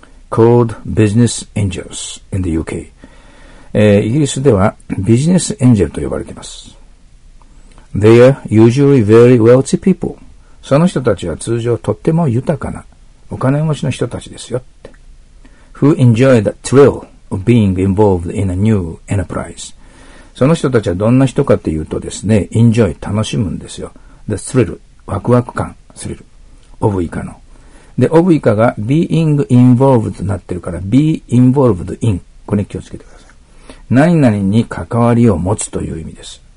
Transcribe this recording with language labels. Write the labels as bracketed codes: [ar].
[en] called business angels in the UK。 [ja] イギリスではビジネスエンジェルと呼ばれています。 [en] They are usually very wealthy people. [ja] その人たちは通常とっても豊かなお金持ちの人たちですよって。 [en] Who enjoy the thrill of being involved in a new enterprise. [ja] その人たちはどんな人かというとですね、enjoy、楽しむんですよ。 The thrill、ワクワク感、thrill、of 以下の。で、of 以下が being involved になってるから、be involved in。これに気をつけてください。何々に関わりを持つという意味です。